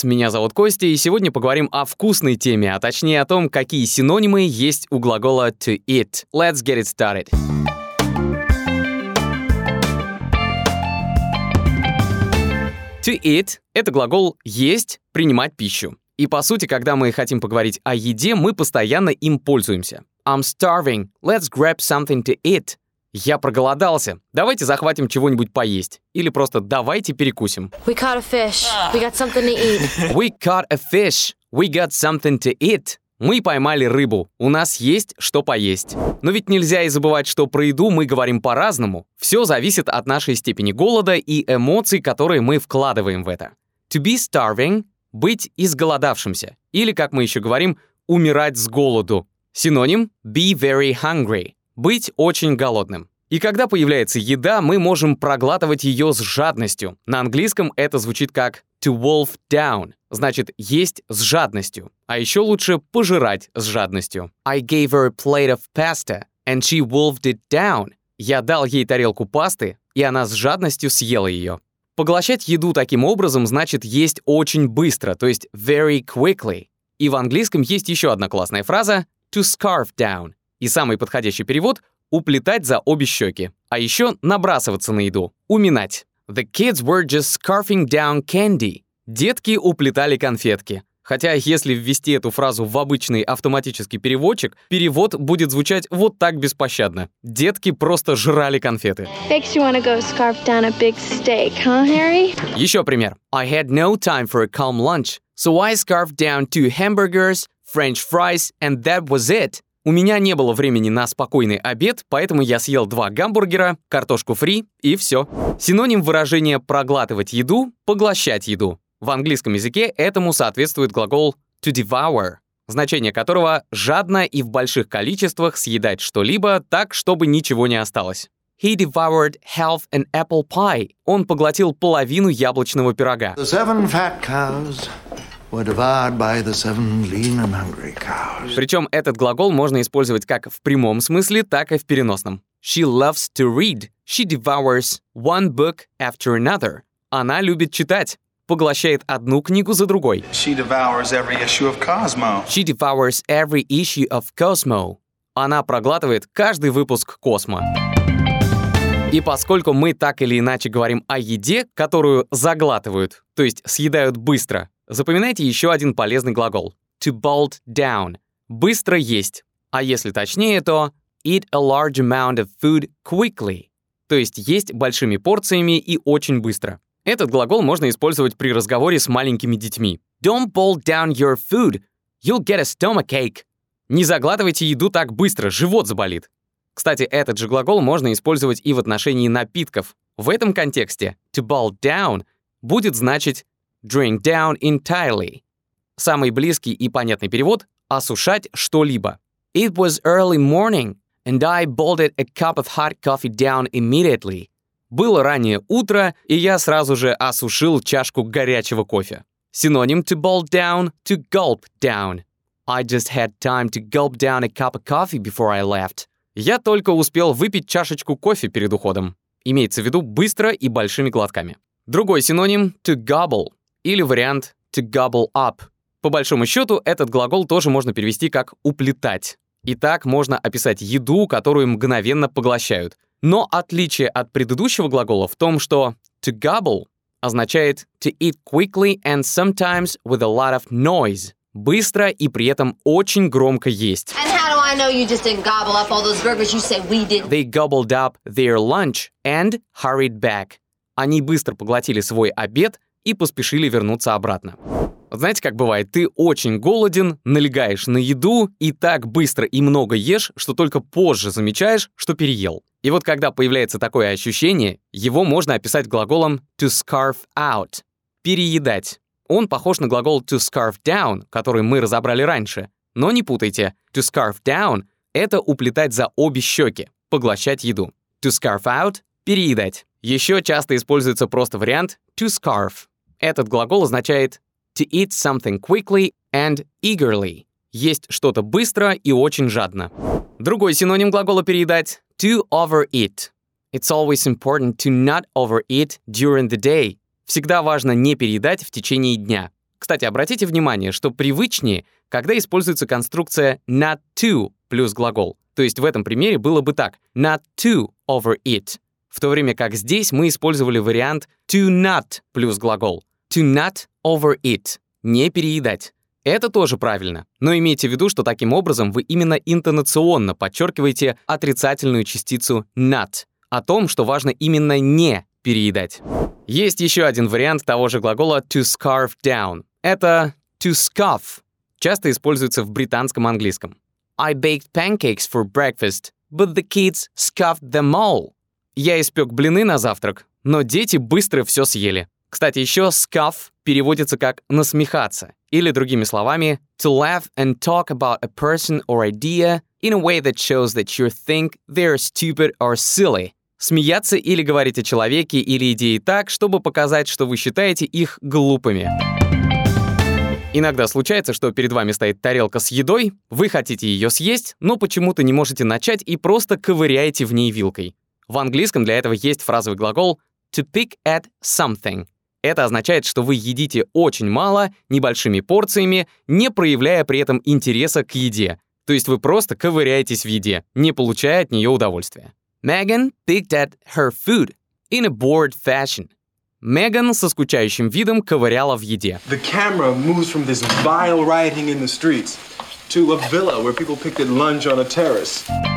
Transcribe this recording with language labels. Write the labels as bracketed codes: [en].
[ru] Меня зовут Костя, и сегодня поговорим о вкусной теме, а точнее о том, какие синонимы есть у глагола «to eat». [en] Let's get it started! [ru] To eat – это глагол «есть», «принимать пищу». И по сути, когда мы хотим поговорить о еде, мы постоянно им пользуемся. [en] I'm starving, let's grab something to eat. [ru] Я проголодался. Давайте захватим чего-нибудь поесть. Или просто давайте перекусим. [en] We caught a fish. We got something to eat. We caught a fish. We got something to eat. [ru] Мы поймали рыбу. У нас есть что поесть. Но ведь нельзя и забывать, что про еду мы говорим по-разному. Все зависит от нашей степени голода и эмоций, которые мы вкладываем в это. [en] To be starving – [ru] быть изголодавшимся. Или, как мы еще говорим, умирать с голоду. Синоним [en] – be very hungry. [ru] Быть очень голодным. И когда появляется еда, мы можем проглатывать ее с жадностью. На английском это звучит как to wolf down, значит есть с жадностью. А еще лучше пожирать с жадностью. [en] I gave her a plate of pasta, and she wolfed it down. [ru] Я дал ей тарелку пасты, и она с жадностью съела ее. Поглощать еду таким образом значит есть очень быстро, то есть [en] very quickly. [ru] И в английском есть еще одна классная фраза to scarf down. И самый подходящий перевод – уплетать за обе щеки. А еще набрасываться на еду – уминать. [en] The kids were just scarfing down candy. [ru] Детки уплетали конфетки. Хотя, если ввести эту фразу в обычный автоматический переводчик, перевод будет звучать вот так беспощадно. Детки просто жрали конфеты. [en] Makes you wanna go scarf down a big steak, huh, Harry? [ru] Еще пример. [en] I had no time for a calm lunch, so I scarfed down two hamburgers, french fries, and that was it. [ru] У меня не было времени на спокойный обед, поэтому я съел два гамбургера, картошку фри и все. Синоним выражения «проглатывать еду» – «поглощать еду». В английском языке этому соответствует глагол «to devour», значение которого «жадно и в больших количествах съедать что-либо так, чтобы ничего не осталось». [en] He devoured half an apple pie. [ru] Он поглотил половину яблочного пирога. [en] The seven fat cows. Were devoured by the seven lean and hungry cows. [ru] Причем этот глагол можно использовать как в прямом смысле, так и в переносном. [en] She loves to read. She devours one book after another. [ru] Она любит читать. Поглощает одну книгу за другой. [en] She devours every issue of Cosmo. She devours every issue of Cosmo. [ru] Она проглатывает каждый выпуск Космо. И поскольку мы так или иначе говорим о еде, которую заглатывают, то есть съедают быстро, запоминайте еще один полезный глагол – to bolt down – быстро есть. А если точнее, то [en] eat a large amount of food quickly [ru] – то есть есть большими порциями и очень быстро. Этот глагол можно использовать при разговоре с маленькими детьми. [en] Don't bolt down your food, you'll get a stomachache. [ru] Не заглатывайте еду так быстро, живот заболит. Кстати, этот же глагол можно использовать и в отношении напитков. В этом контексте [en] to bolt down [ru] будет значить [en] drink down entirely. [ru] Самый близкий и понятный перевод – осушать что-либо. [en] It was early morning, and I bolted a cup of hot coffee down immediately. [ru] Было раннее утро, и я сразу же осушил чашку горячего кофе. Синоним [en] to bolt down – to gulp down. I just had time to gulp down a cup of coffee before I left. [ru] Я только успел выпить чашечку кофе перед уходом. Имеется в виду быстро и большими глотками. Другой синоним – to gobble. Или вариант to gobble up. По большому счету, этот глагол тоже можно перевести как уплетать. И так можно описать еду, которую мгновенно поглощают. Но отличие от предыдущего глагола в том, что [en] to gobble [ru] означает [en] to eat quickly and sometimes with a lot of noise. [ru] Быстро и при этом очень громко есть. [en] And how do I know you just didn't gobble up all those burgers you said we didn't? They gobbled up their lunch and hurried back. [ru] Они быстро поглотили свой обед и поспешили вернуться обратно. Знаете, как бывает, ты очень голоден, налегаешь на еду и так быстро и много ешь, что только позже замечаешь, что переел. И вот когда появляется такое ощущение, его можно описать глаголом to scarf out – переедать. Он похож на глагол to scarf down, который мы разобрали раньше. Но не путайте, to scarf down – это уплетать за обе щеки, поглощать еду. [en] To scarf out – [ru] переедать. Еще часто используется просто вариант to scarf. Этот глагол означает [en] to eat something quickly and eagerly. [ru] Есть что-то быстро и очень жадно. Другой синоним глагола переедать – to overeat. [en] It's always important to not overeat during the day. [ru] Всегда важно не переедать в течение дня. Кстати, обратите внимание, что привычнее, когда используется конструкция not to плюс глагол. То есть в этом примере было бы так: not to overeat. В то время как здесь мы использовали вариант to not плюс глагол. [en] To not overeat. [ru] Не переедать. Это тоже правильно, но имейте в виду, что таким образом вы именно интонационно подчеркиваете отрицательную частицу not, о том, что важно именно не переедать. Есть еще один вариант того же глагола to scarf down. Это [en] to scoff. [ru] Часто используется в британском английском. [en] I baked pancakes for breakfast, but the kids scoffed them all. [ru] Я испек блины на завтрак, но дети быстро все съели. Кстати, еще scoff переводится как насмехаться. Или другими словами, [en] to laugh and talk about a person or idea in a way that shows that you think they're stupid or silly. [ru] Смеяться или говорить о человеке или идее так, чтобы показать, что вы считаете их глупыми. Иногда случается, что перед вами стоит тарелка с едой, вы хотите ее съесть, но почему-то не можете начать и просто ковыряете в ней вилкой. В английском для этого есть фразовый глагол to pick at something. Это означает, что вы едите очень мало, небольшими порциями, не проявляя при этом интереса к еде. То есть вы просто ковыряетесь в еде, не получая от нее удовольствия. [en] Меган picked at her food in a bored fashion. [ru] Меган со скучающим видом ковыряла в еде. [en] The camera moves from this vile rioting in the streets to a villa where people picked at lunch on a terrace.